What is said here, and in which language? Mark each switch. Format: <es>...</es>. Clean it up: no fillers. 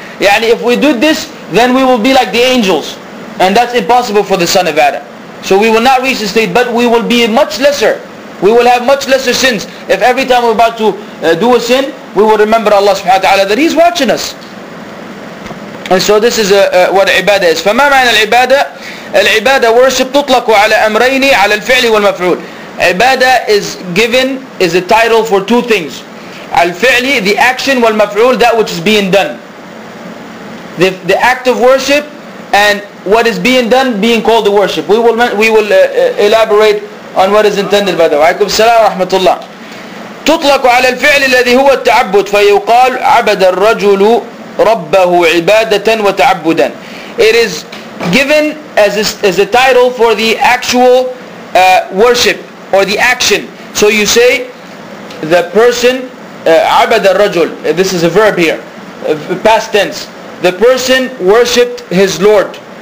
<en>Yani if we do this, then we will be like the angels. And that's impossible for the son of Adam. So we will not reach the state, but we will be much lesser. We will have much lesser sins. If every time we're about to do a sin, we will remember Allah subhanahu wa ta'ala that He's watching us. And so this is what ibadah is.</en> <ar>فما معنى العباده؟ العباده worship تطلق على امرين على الفعل والمفعول.</ar> <en>Ibadah is a title for two things. الفعل, the action, والمفعول, that which is being done. The act of worship and what is being done being called the worship. We will elaborate on what is intended by the</en> <ar>وعليكم السلام ورحمة الله. تطلق على الفعل الذي هو التعبد فيقال عبد الرجل ربه عبادة وتعبدا.</ar> <en>It is given as a title for the actual worship or the action. So you say the person</en> <ar>عبد الرجل.</ar> <en>This is a verb here, past tense. The person worshipped his Lord.</en>